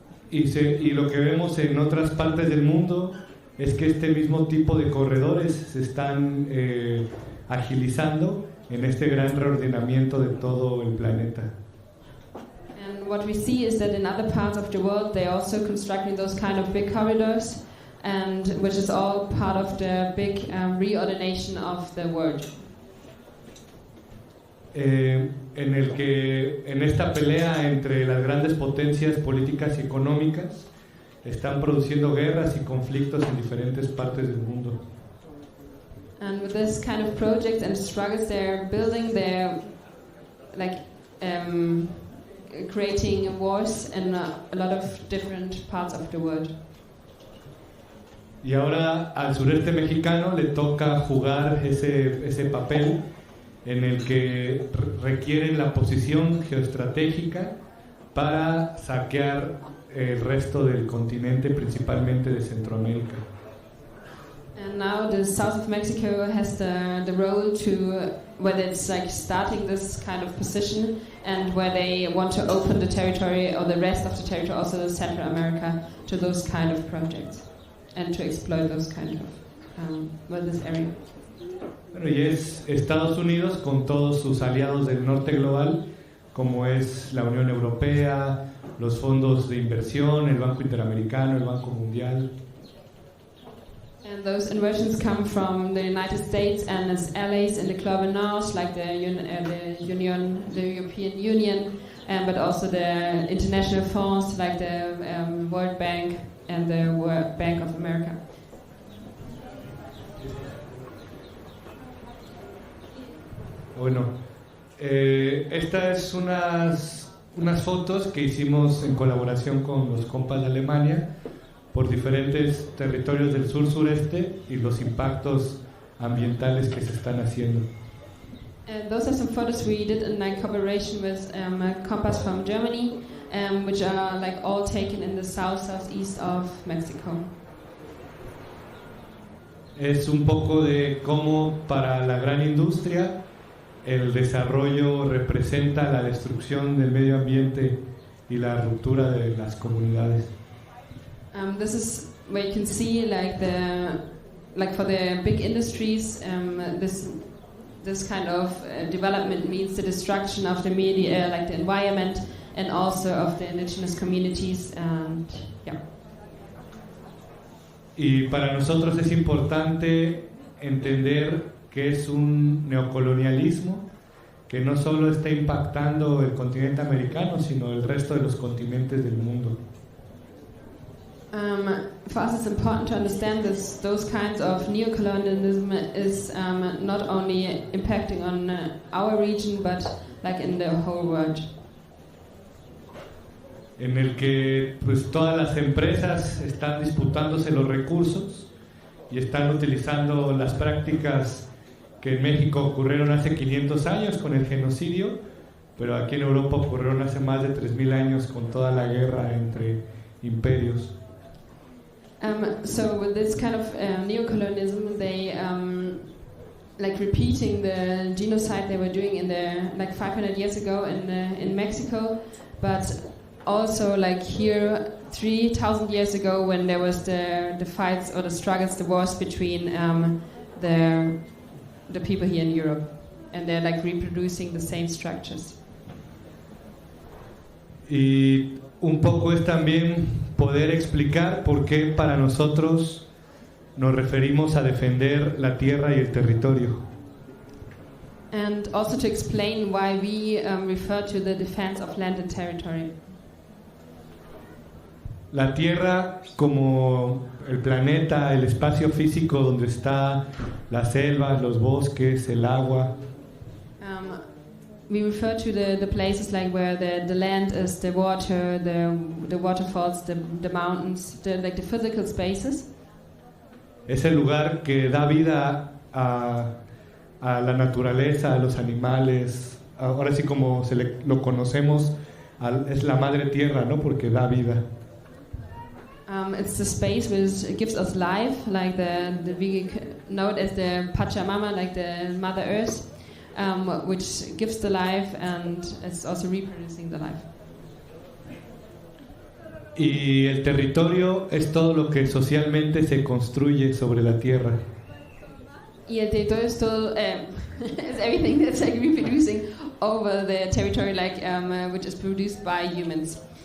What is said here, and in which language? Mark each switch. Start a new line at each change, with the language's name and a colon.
Spanish: Y lo que vemos en otras partes del mundo es que este mismo tipo de corredores se están agilizando en este gran reordenamiento de todo el planeta.
English: And what we see is that in other parts of the world they're also constructing those kind of big corridors, and which is all part of the big reordination of the world.
Spanish: En el que en esta pelea entre las grandes potencias políticas y económicas están produciendo guerras y conflictos en diferentes partes del mundo.
English: And with this kind of project and struggles, they're building their, like, creating wars in a lot of different parts of the world.
Spanish: Y ahora al sureste mexicano le toca jugar ese papel en el que requieren la posición geoestratégica para saquear el resto del continente, principalmente de Centroamérica.
English: And now the south of Mexico has the role to whether it's like starting this kind of position and where they want to open the territory or the rest of the territory, also Central America, to those kind of projects and to exploit those kind of this area.
Spanish: Bueno, y es Estados Unidos con todos sus aliados del norte global, como es la Unión Europea, los fondos de inversión, el Banco Interamericano, el Banco Mundial.
English: And those inversions come from the United States and its allies in the global north, like the European Union, but also the international funds, like the World Bank and the World Bank of America.
Spanish: Bueno, esta es unas fotos que hicimos en colaboración con los compas de Alemania por diferentes territorios del sur sureste y los impactos ambientales que se están haciendo.
English: Those are some photos we did in like cooperation with compas from Germany, which are like all taken in the south southeast of Mexico.
Spanish: Es un poco de cómo para la gran industria el desarrollo representa la destrucción del medio ambiente y la ruptura de las comunidades.
English: This is where you can see, like the, like for the big industries, this kind of development means the destruction of the media, like the environment, and also of the indigenous communities, and yeah.
Spanish: Y para nosotros es importante entender que es un neocolonialismo que no solo está impactando el continente americano, sino el resto de los continentes del mundo.
English: For us, it's important to understand that those kinds of neocolonialism is not only impacting on our region, but like in the whole world.
Spanish: En el que pues todas las empresas están disputándose los recursos y están utilizando las prácticas que en México ocurrieron hace 500 años con el genocidio, pero aquí en Europa ocurrieron hace más de 3000 años con toda la guerra entre imperios.
English: So with this kind of neocolonialism, they like repeating the genocide they were doing in the like 500 years ago in Mexico, but also like here 3000 years ago when there was the fights or the struggles, the wars between the people here in Europe, and they're like reproducing the same structures.
Spanish: Y un poco es también poder explicar por qué para nosotros nos referimos a defender la tierra y el territorio.
English: And also to explain why we refer to the defense of land and territory.
Spanish: La tierra como el planeta, el espacio físico donde está las selvas, los bosques, el agua.
English: We refer to the places like where the land is, the water, the waterfalls, the mountains, the like the physical spaces.
Spanish: Es el lugar que da vida a la naturaleza, a los animales. Ahora sí como lo conocemos, es la madre tierra, ¿no? Porque da vida.
English: It's the space which gives us life, like the we know it as the Pachamama, like the Mother Earth, which gives the life and is also reproducing the life.
Spanish: Y el territorio es todo lo que socialmente se construye sobre la tierra.
English: Yeah, they do still is everything that's like reproducing over the territory, like which is produced by humans.